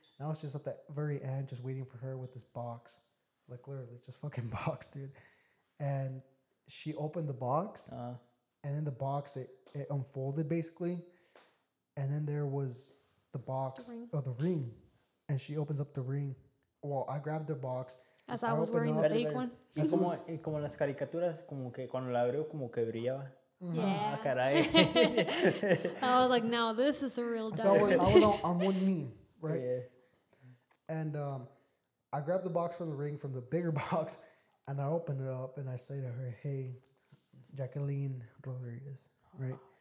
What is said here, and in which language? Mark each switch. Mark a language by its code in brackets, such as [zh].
[en] I was just at the very end, just waiting for her with this box. Like, literally, just fucking box, dude. And she opened the box. And in the box, it unfolded, basically. And then there was the box of the ring. And she opens up the ring. Well, I grabbed the box. As I was wearing the fake one. [es] Y como, las caricaturas, como que cuando la abrió, como que brillaba. [en] Yeah. [es] Ah, caray. [en] I was like, no, this is a real diamond. So I was on one knee, right? Yeah. And I grabbed the box from the ring, from the bigger box, and I opened it up, and I say to her, hey, Jacqueline Rodriguez, right?